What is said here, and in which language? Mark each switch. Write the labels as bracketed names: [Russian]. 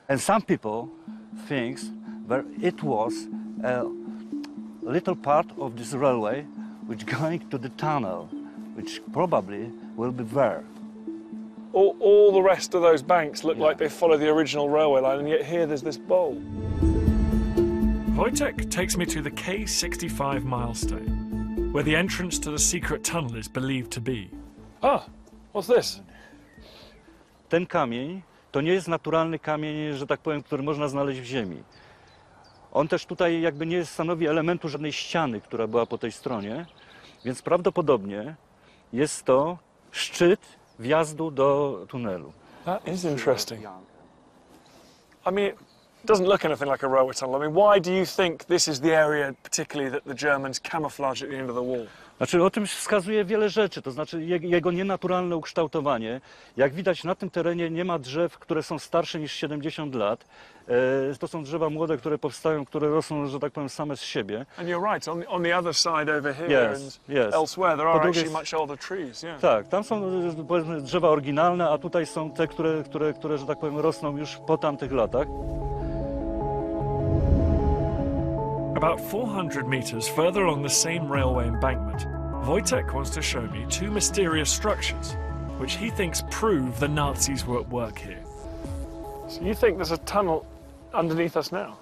[English] And some people think that it was a little part of this railway which going to the tunnel, which probably will be there. All the rest of those banks look like they follow the original railway line, and yet here there's this bowl. Wojciech takes me to the K65 milestone, where the entrance to the secret tunnel is believed to be. Ah, what's this? [Polish] Ten kamień to nie jest naturalny kamień, że tak powiem, który można znaleźć w ziemi. On też tutaj jakby nie stanowi elementu żadnej ściany, która była po tej stronie, więc prawdopodobnie jest to szczyt wjazdu do tunelu. [English] That is interesting. I mean, it doesn't look anything like a railway tunnel. I mean, why do you think this is the area particularly that the Germans camouflaged at the end of the war? [Polish] Znaczy, o tym wskazuje wiele rzeczy, to znaczy jego nienaturalne ukształtowanie. Jak widać, na tym terenie nie ma drzew, które są starsze niż 70 lat. To są drzewa młode, które powstają, które rosną, że tak powiem, same z siebie. [English] And you're right, on the other side over here yes. elsewhere, there are actually much older trees. Yeah. [Polish] Tak, tam są powiedzmy, drzewa oryginalne, a tutaj są te, które, że tak powiem, rosną już po tamtych latach. [English] About 400 meters further along the same railway embankment, Wojciech wants to show me two mysterious structures, which he thinks prove the Nazis were at work here. So you think there's a tunnel underneath us now?